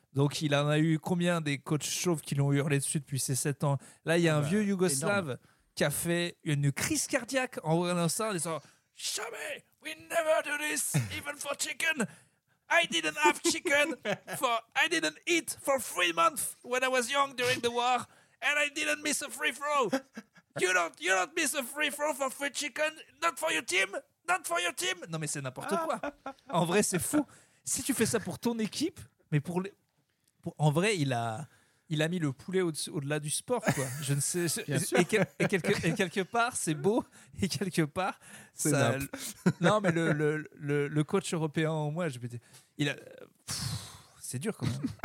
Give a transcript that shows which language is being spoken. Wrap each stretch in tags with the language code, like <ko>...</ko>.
<fr>Donc, il en a eu combien des coachs chauves qui l'ont hurlé dessus depuis ses 7 ans ? Là, il y a un vieux Yougoslave qui a fait une crise cardiaque en regardant ça, en disant « Jamais,</fr> <en>we never do this, even for chicken !» I didn't have chicken for I didn't eat for 3 months when I was young during the war, and I didn't miss a free throw. You don't miss a free throw for free chicken, not for your team, not for your team.</en> <fr>Non mais c'est n'importe quoi. En vrai c'est fou. Si tu fais ça pour ton équipe, mais en vrai il a mis le poulet au-delà du sport quoi. Je ne sais. Quelque part c'est beau et quelque part. C'est ça, non mais le coach européen en moi, je vais dire, c'est dur quand même.</fr>